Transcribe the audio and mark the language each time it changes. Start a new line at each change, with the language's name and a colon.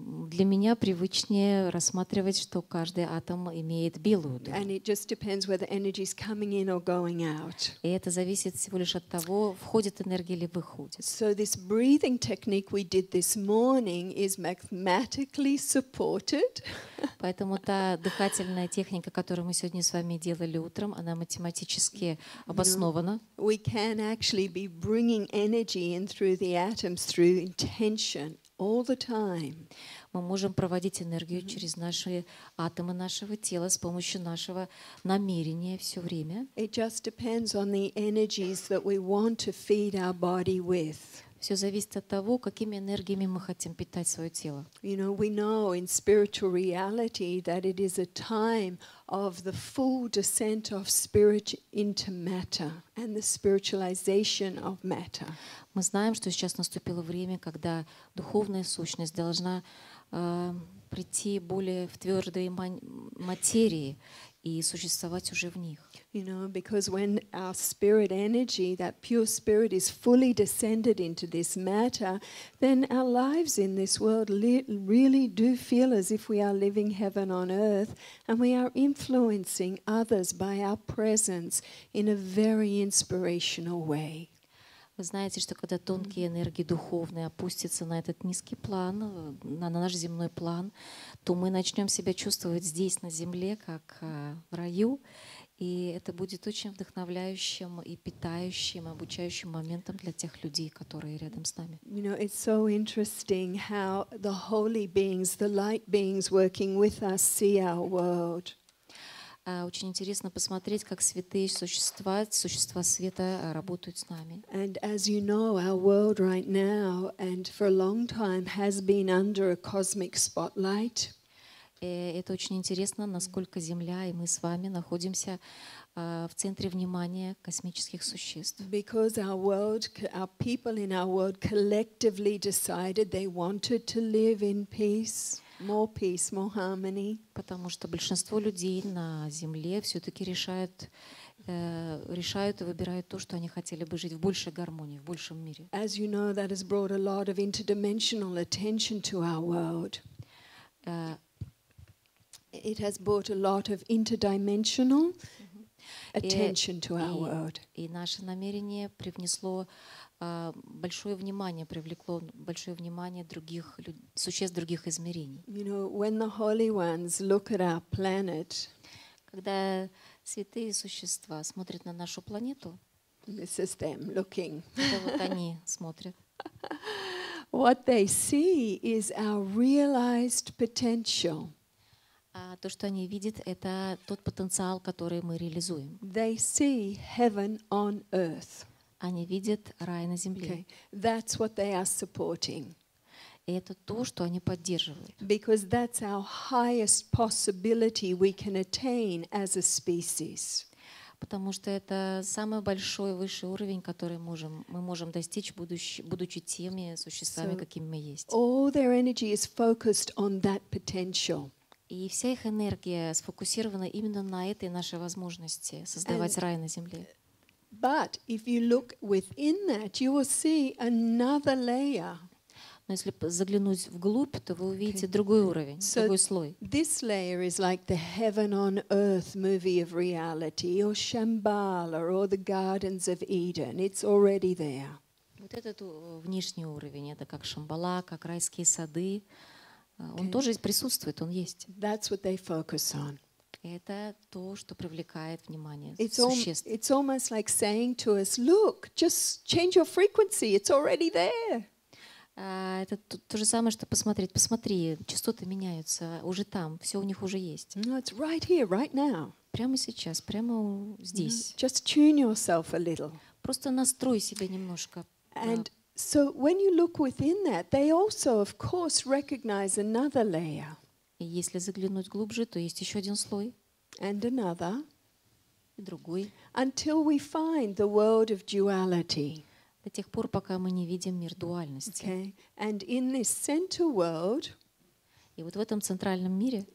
Russian: Для меня привычнее рассматривать, что каждый атом имеет белую дыру.
English: And it just depends whether energy is coming in or going out.
Russian: И это зависит всего лишь от того, входит энергия или выходит.
English: So this breathing technique we did this morning is mathematically supported.
Russian: Поэтому та дыхательная техника, которую мы сегодня с вами делали утром, она математически обоснована.
English: We can actually be bringing energy in through the atoms through intention. All the time.
Russian: Мы можем проводить энергию через наши атомы нашего тела с помощью нашего намерения все время.
English: It just depends on the energies that we want to feed our body with.
Russian: Все зависит от того, какими энергиями мы хотим питать свое тело.
English: You know, we know in spiritual reality that it is a time of the full descent of spirit into matter and the spiritualization of matter.
Russian: Мы знаем, что сейчас наступило время, когда духовная сущность должна прийти более в твердые материи и существовать уже в них.
English: You know, because when our spirit energy, that pure spirit, is fully descended into this matter, then our lives in this world really do feel as if we are living heaven on earth, and we are influencing others by our presence in a very inspirational way.
Russian: Вы знаете, что когда тонкие энергии духовные опустятся на этот низкий план, на наш земной план, то мы начнем себя чувствовать здесь, на земле, как в раю, и это будет очень вдохновляющим и питающим, обучающим моментом для тех людей, которые рядом с нами.
English: You know, it's so interesting how the holy beings, the light beings working with us see our world.
Russian: Очень интересно посмотреть, как святые существа, существа света, работают с нами.
English: And as you know, our world right now and for a long time has been under a cosmic spotlight.
Russian: Это очень интересно, насколько Земля и мы с вами находимся в центре внимания космических существ.
English: Because our world, our people in our world collectively decided they wanted to live in peace. More peace, more harmony.
Russian: Потому что большинство людей на Земле все-таки решают, решают и выбирают то, что они хотели бы жить в большей гармонии, в большем мире.
English: As you know, that has brought a lot of interdimensional attention to our world. It has brought a lot of interdimensional attention to our world.
Russian: И наше намерение привнесло большое внимание, привлекло большое внимание других существ других измерений.
English: You know, when the holy ones look at our planet,
Russian: когда святые существа смотрят на нашу планету,
English: this is them looking.
Russian: Вот они смотрят.
English: What they see is our realized potential.
Russian: А то, что они видят, это тот потенциал, который мы реализуем.
English: They see heaven on earth.
Russian: Они видят рай на земле.
English: Okay. That's what they are supporting.
Russian: И это то, что они поддерживают.
English: Because that's our highest possibility we can attain as a species.
Russian: Потому что это самый большой, высший уровень, который мы можем достичь, будучи теми существами, so какими мы есть.
English: All their energy is focused on that potential.
Russian: И вся их энергия сфокусирована именно на этой нашей возможности создавать рай на земле.
English: But if you look within that, you will see another layer.
Russian: Но если заглянуть вглубь, то вы увидите другой уровень, so другой слой.
English: This layer is like the heaven on earth movie of reality, or Shambhala, or the gardens of Eden. It's already there.
Russian: Вот этот внешний уровень, это как Шамбала, как райские сады. Он тоже присутствует, он есть.
English: That's what they focus on.
Russian: Это то, что привлекает внимание существ.
English: It's almost like saying to us, look, just change your frequency, it's already there.
Russian: Это то же самое, что посмотреть. Посмотри, частоты меняются уже там, все у них уже есть.
English: No, it's right here, right now.
Russian: Прямо сейчас, прямо здесь.
English: Just tune yourself a little.
Russian: Просто настрой себя немножко.
English: And so when you look within that, they also, of course, recognize another layer.
Russian: И если заглянуть глубже, то есть еще один слой.
English: And another.
Russian: И другой.
English: Until we find the world of duality.
Russian: До тех пор, пока мы не видим мир дуальности.
English: Okay. And in this center world,
Russian: и вот в этом центральном мире,